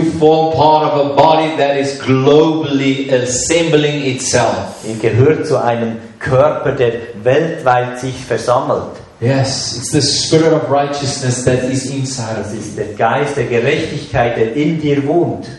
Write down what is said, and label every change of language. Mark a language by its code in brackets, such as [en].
[en] You form part of a body that is globally assembling itself. [de] Ihr gehört zu einem Körper, der weltweit sich versammelt. [en] Yes, it's the spirit of righteousness that is inside. [de] Es ist der Geist der Gerechtigkeit, der in dir wohnt.